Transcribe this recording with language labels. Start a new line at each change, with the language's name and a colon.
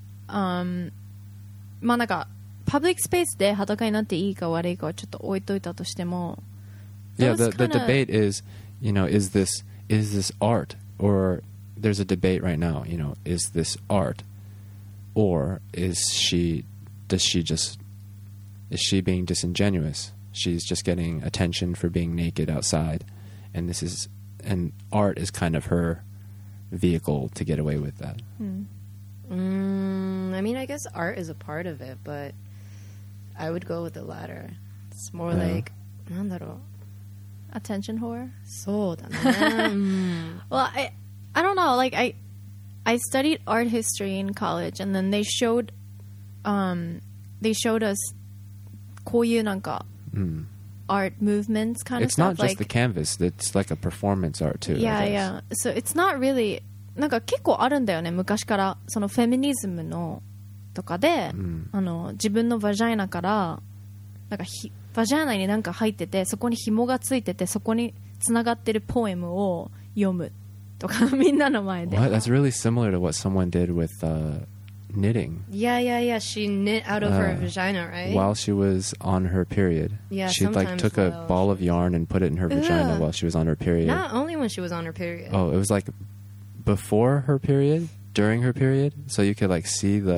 Japanese: まあなんかパブリックスペースで裸になっていいか悪いかはちょっと置いといたとしても、
English: yeah, the debate is, you know, is this art, or there's a debate right now, you know, is this art, or is she being disingenuous? She's just getting attention for being naked outside, and this is, and art is kind of her vehicle to get away with that. I mean, I guess art is a part of it, but I would go with the latter. It's more like,
Japanese: なんだろう?
English: Attention whore?
Japanese: そうだね。
English: Well, I don't know. Like, I studied art history in college, and then they showed us
Japanese: こういうなんか
English: art movements kind of stuff. It's not just the canvas. It's like a performance art too. Yeah, yeah. So it's not really...
Japanese: なんか結構あるんだよね昔からそのフェミニズムのとかで、あの自分のバジャイナからなんかバジャイナになんか入っててそこに紐がついててそこにつながってるポエムを読むとかみんなの前で、
English: What? That's really similar to what someone did with knitting. Yeah, yeah, yeah. She knit out of her vagina, right? While she was on her period. Yeah, she like took a ball of yarn and put it in her vagina while she was on her period. Not only when she was on her period. Oh, it was likeBefore her period, during her period, so you could like see the...